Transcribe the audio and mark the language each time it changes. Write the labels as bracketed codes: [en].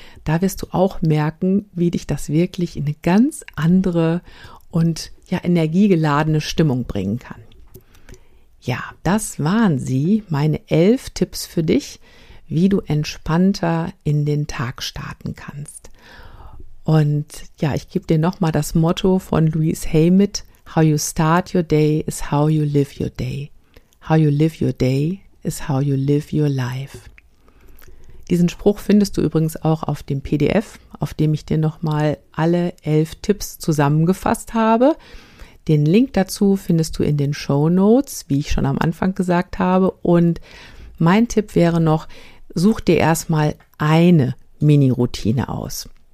[de] Da wirst du auch merken, wie dich das wirklich in eine ganz andere und ja energiegeladene Stimmung bringen kann. Ja, das waren sie, meine 11 Tipps für dich, wie du entspannter in den Tag starten kannst. Und ja, ich gebe dir nochmal das Motto von Louise Hay mit. [en] How you start your day is how you live your day. How you live your day is how you live your life. [de] Diesen Spruch findest du übrigens auch auf dem PDF, auf dem ich dir nochmal alle 11 Tipps zusammengefasst habe. Den Link dazu findest du in den Shownotes, wie ich schon am Anfang gesagt habe. Und mein Tipp wäre noch, such dir erstmal eine Mini-Routine aus.